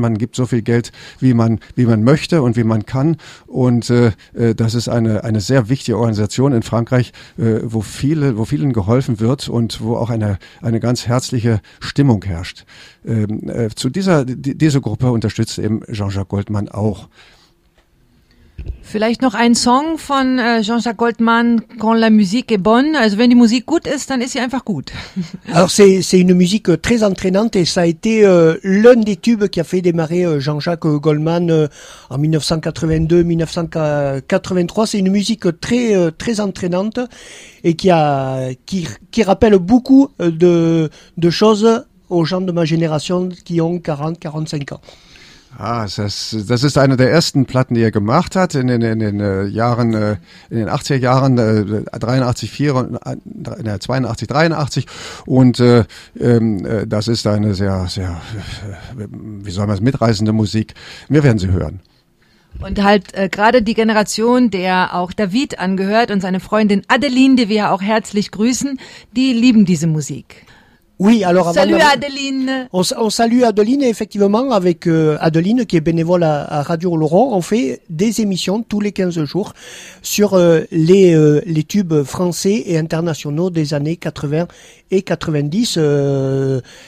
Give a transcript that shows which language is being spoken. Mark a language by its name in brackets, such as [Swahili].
[German] Man gibt so viel Geld, wie man möchte und wie man kann, und das ist eine sehr wichtige Organisation in Frankreich, wo vielen geholfen wird und wo auch eine ganz herzliche Stimmung herrscht. Diese Gruppe unterstützt eben Jean-Jacques Goldman auch. Vielleicht noch ein Song von Jean-Jacques Goldman, Quand la musique est bonne. Also wenn die Musik gut ist, dann ist sie einfach gut. [French] Alors c'est une musique très entraînante et ça a été l'un des tubes qui a fait démarrer Jean-Jacques Goldman en 1982-1983. C'est une musique très très entraînante et qui rappelle beaucoup de choses aux gens de ma génération qui ont 40-45 ans. [German] Ah, das ist eine der ersten Platten, die er gemacht hat in den 80er Jahren, 82, 83. Und das ist eine sehr, sehr, wie soll man es, mitreißende Musik. Wir werden sie hören. Und halt gerade die Generation, der auch David angehört und seine Freundin Adeline, die wir ja auch herzlich grüßen, die lieben diese Musik. [French] Oui, alors avant. Salut Adeline. On salue Adeline, et effectivement, avec Adeline, qui est bénévole à Radio Laurent, on fait des émissions tous les 15 jours sur les tubes français et internationaux des années 80 et 90.